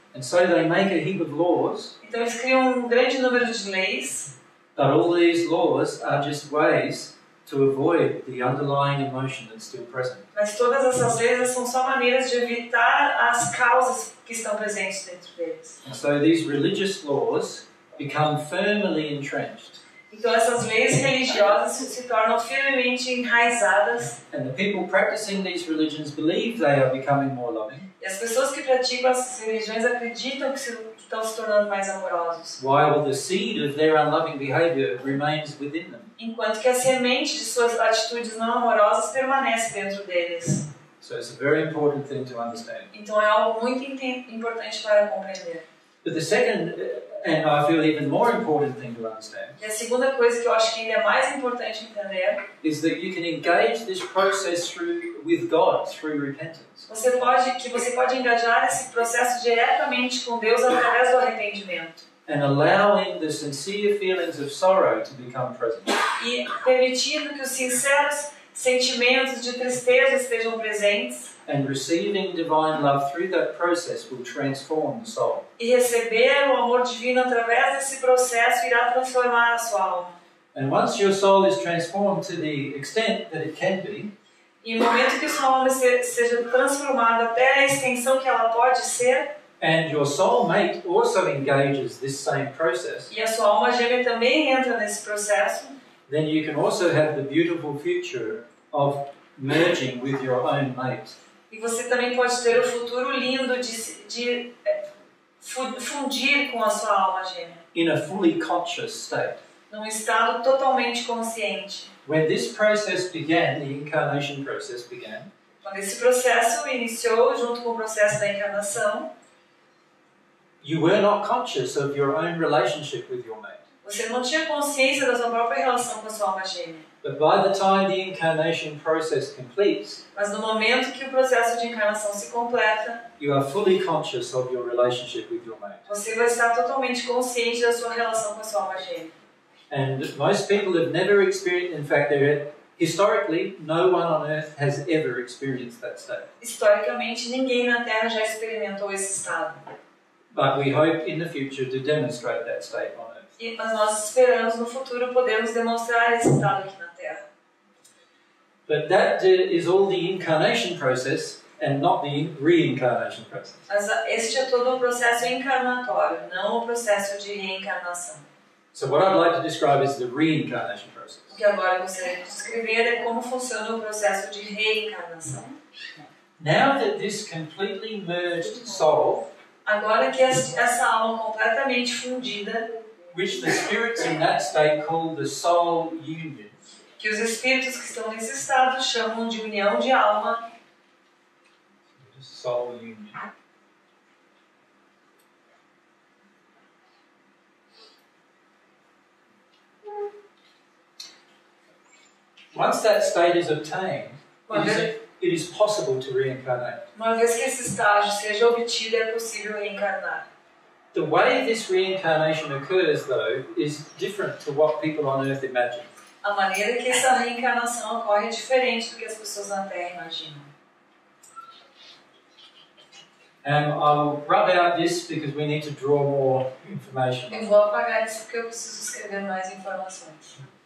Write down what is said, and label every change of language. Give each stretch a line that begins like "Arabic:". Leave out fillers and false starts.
English: And so they make a heap of laws.
Portuguese: Então eles criam um grande número de leis.
English: But all these laws are just ways to avoid the underlying emotion that's still present.
Portuguese: Mas todas essas vezes são só maneiras de evitar as causas que estão presentes dentro deles.
English: And so these religious laws become firmly entrenched.
Portuguese: Então essas leis religiosas se tornam firmemente enraizadas.
English: And the people practicing these religions believe they are becoming more loving.
Portuguese: E as pessoas que praticam essas religiões acreditam que estão se tornando mais amorosos.
English: While the seed of their unloving behavior remains within them.
Portuguese: Enquanto que a semente de suas atitudes não amorosas permanece dentro deles.
English: So it's a very important thing to understand.
Portuguese: Então é algo muito importante para compreender.
English: But the second, and I feel even more important thing to understand.
Portuguese: E a segunda coisa que eu acho que ainda é mais importante entender.
English: Is that you can engage this process through with God through repentance.
Portuguese: Você pode engajar esse processo diretamente com Deus através do arrependimento.
English: And allowing the sincere feelings of sorrow to become present.
Portuguese: E permitindo que os sinceros sentimentos de tristeza estejam presentes.
English: And receiving divine love through that process will transform the soul.
Portuguese: E receber o amor divino através desse processo irá transformar a sua alma.
English: And once your soul is transformed to the extent that it can be,
Portuguese: e no momento que sua alma seja transformada até a extensão que ela pode ser,
English: and your soulmate also engages this same process,
Portuguese: e a sua alma gêmea também entra nesse processo,
English: then you can also have the beautiful future of merging with your own mate.
Portuguese: E você também pode ter o futuro lindo de fundir com a sua alma gêmea.
English: In a fully conscious state.
Portuguese: Num estado totalmente consciente.
English: When this process began, the incarnation process began.
Portuguese: Quando esse processo iniciou junto com o processo da encarnação.
English: You were not conscious of your own relationship with your mate.
Portuguese: Você não tinha consciência da sua própria relação com a sua alma gêmea.
English: But by the time the incarnation process completes,
Portuguese: mas no momento que o processo de encarnação se completa,
English: you are fully conscious of your relationship with your mate.
Portuguese: Você vai estar totalmente consciente da sua relação com a sua alma gêmea.
English: And most people have never experienced, in fact, historically, no one on earth has ever experienced that state.
Portuguese: Historicamente, ninguém na Terra já experimentou esse estado.
English: But we hope in the future to demonstrate that state on earth.
Portuguese: Mas nós esperamos no futuro podermos demonstrar esse estado aqui na Terra.
English: But that is all the incarnation process and not the reincarnation process.
Portuguese: Mas este é todo o processo encarnatório, não o processo de reencarnação.
English: So what I'd like to describe is the reincarnation process.
Portuguese: O que agora eu gostaria de descrever é como funciona o processo de reencarnação.
English: Now that this completely merged soul,
Portuguese: agora que essa alma completamente fundida,
English: which the spirits in that state call the soul union,
Portuguese: que os espíritos que estão nesse estado chamam de união de alma,
English: soul union. Once that state is obtained, it is possible to reincarnate.
Portuguese: Uma vez que esse estágio seja obtido, é possível reencarnar.
English: The way this reincarnation occurs, though, is different to what people on earth imagine.
Portuguese: A maneira que essa reencarnação ocorre é diferente do que as pessoas na Terra imaginam.
English: And I'll rub out this because we need to draw more information.
Portuguese: Eu vou apagar isso porque eu preciso escrever mais informações.